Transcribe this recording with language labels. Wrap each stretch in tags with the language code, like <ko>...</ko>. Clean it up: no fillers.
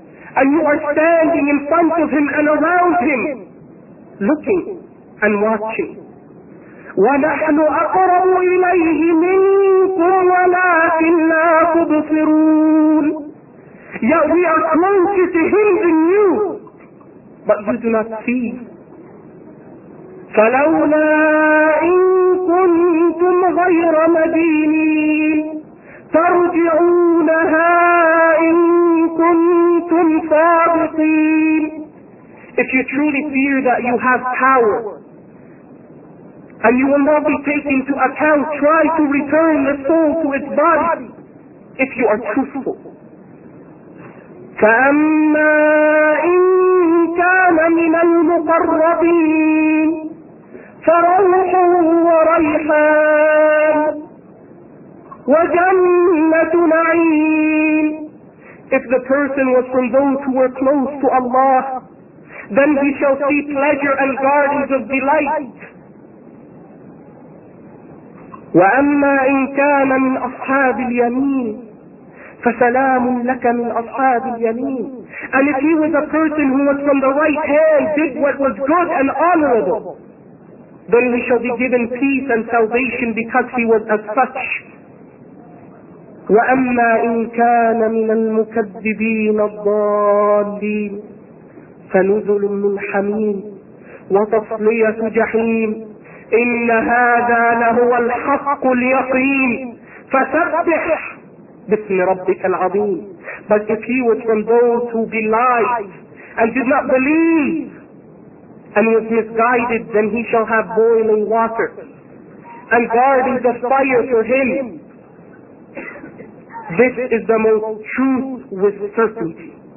<en>And you are standing in front of him and around him, looking and watching.</en> <ar>وَنَحْنُ أَقْرَبُ إِلَيْهِ مِنْكُمْ وَلَكِنْ لَا تُبْصِرُونَ.</ar> <en>Yet we are closer to him than you, but you do not see.</en> <ar>فلولا إن كنتم غير مدينين ترجعونها إن كنتم صادقين.</ar> <en>If you truly fear that you have power and you will not be taken to account, try to return the soul to its body if you are truthful.</en> <ar>فَأَمَّا إِن كَانَ مِنَ الْمُقَرَّبِينَ فَرَوْحٌ وَرَيْحَانٌ وَجَنَّةُ نَعِيمٍ.</ar> <en>If the person was from those who were close to Allah, then we shall see pleasure and gardens of delight.</en> <ar>وَأَمَّا إِن كَانَ مِنْ أَصْحَابِ الْيَمِينِ فَسَلَامٌ لَكَ مِنْ أَصْحَابِ الْيَمِينِ.</ar> <en>And if he was a person who was from the right hand, did what was good and honorable, then he shall be given peace and salvation because he was as such.</en> <ar>وَأَمَّا إِن كَانَ مِنَ الْمُكَذِّبِينَ الضَّالِّينَ فَنُزُلٌ مِّنْ حَمِيمٍ وَتَصْلِيَةُ جَحِيمٍ إن هذا لهو الحق اليقين فسبح باسم ربك العظيم.</ar> <en>But if he was from those who belied and did not believe and was misguided, then he shall have boiling water and gardens of fire for him. This is the most truth with certainty.</en>